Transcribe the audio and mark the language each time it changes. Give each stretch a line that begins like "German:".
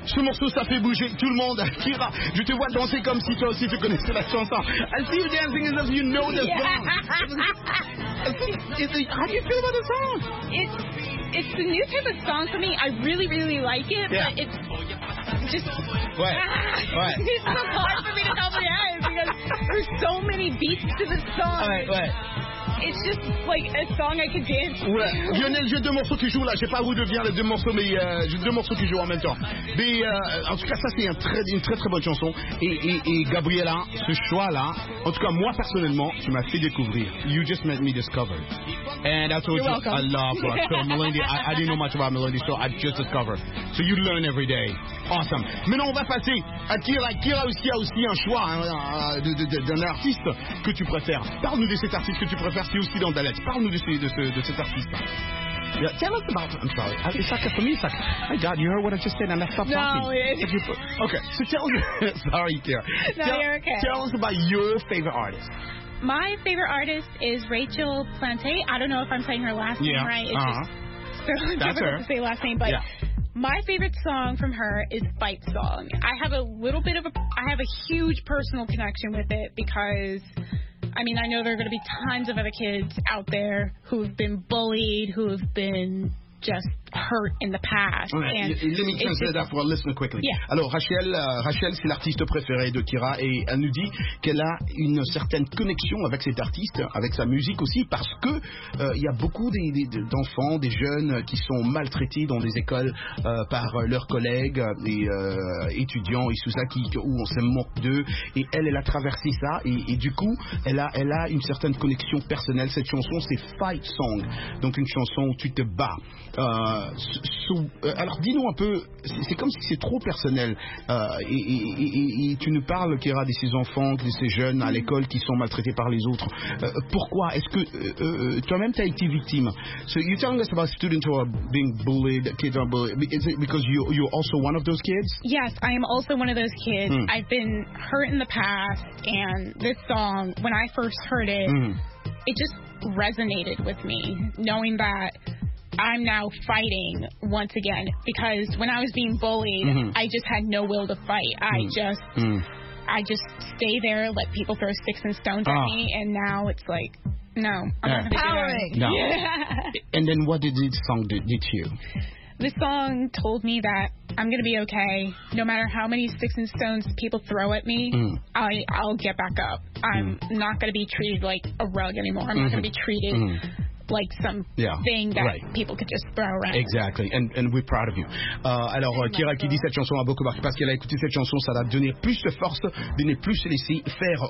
French: Ce morceau, ça fait bouger tout le monde. Kira, je te vois danser comme si toi aussi tu connaissais la chanson.
English: I see you dancing as if you know the song. How do you feel about the song? It's a new type of song for me. I really, really like it. Yeah. But it's just... What? It's so hard for me to tell my eyes because there's so many beats to this song. All right, what? It's just like a song I could dance to. Ouais.
French: Lionel, j'ai deux morceaux qui jouent là. Je sais pas où deviennent les deux morceaux, mais j'ai deux morceaux qui jouent en même temps. Mais en tout cas, ça c'est une très bonne chanson. Et Gabriella, ce choix là, en tout cas moi personnellement, tu m'as fait découvrir.
English: You just made me discover. And that's what you're welcome. I love. So Melindy, I didn't know much about Melindy, so I just discovered. So you learn every day. Awesome.
French: Maintenant on va passer à Kira. Kira aussi a aussi un choix d'un artiste que tu préfères. Parle-nous de cet artiste que tu préfères. Merci aussi dans Dalet. Parle-nous de cet artiste.
English: Yeah, tell us about. I'm sorry. It's like for me, it's like, my God, you heard what I just said, and I stopped talking. No, okay. So tell us. Sorry, Kira. No, you're okay. Tell us about your favorite artist. My favorite artist is Rachel Plante. I don't know if I'm saying her last name right. It's just so difficult to say last name, but. Yeah. My favorite song from her is Fight Song. I have a little bit of a, I have a huge personal connection with it because, I mean, I know there are going to be tons of other kids out there who have been bullied, who have been just hurt in the past. Okay. And let me translate that for a listener quickly. Yeah.
French: Alors, Rachel, c'est l'artiste préférée de Kira et elle nous dit qu'elle a une certaine connexion avec cet artiste, avec sa musique aussi, parce que il y a beaucoup d'enfants, des jeunes qui sont maltraités dans des écoles par leurs collègues et étudiants et tout ça, où on se moque d'eux. Et elle a traversé ça et du coup, elle a une certaine connexion personnelle. Cette chanson, c'est Fight Song, donc une chanson où tu te bats. Alors dis-nous un peu, c'est comme si c'est trop personnel et tu nous parles, Kira, de ces enfants, de ces jeunes à l'école qui sont maltraités par les autres. Pourquoi est-ce que toi-même tu as été victime?
English: So you're telling us about students who are being bullied, kids are bullied. Is it because you're also one of those kids? Yes, I am also one of those kids. Mm. I've been hurt in the past and this song, when I first heard it, it just resonated with me, knowing that I'm now fighting once again, because when I was being bullied, I just had no will to fight. I just stay there, let people throw sticks and stones at me, and now it's like, no, I'm empowering. No. And then what did this song do to you? This song told me that I'm going to be okay. No matter how many sticks and stones people throw at me, I'll get back up. I'm not going to be treated like a rug anymore. I'm not going to be treated... like some thing that people could just throw around. Exactly, and we're proud of you.
French: Alors, Kira qui dit cette chanson a beaucoup marqué parce qu'elle a écouté cette chanson, ça l'a donné plus de force de ne plus se laisser faire.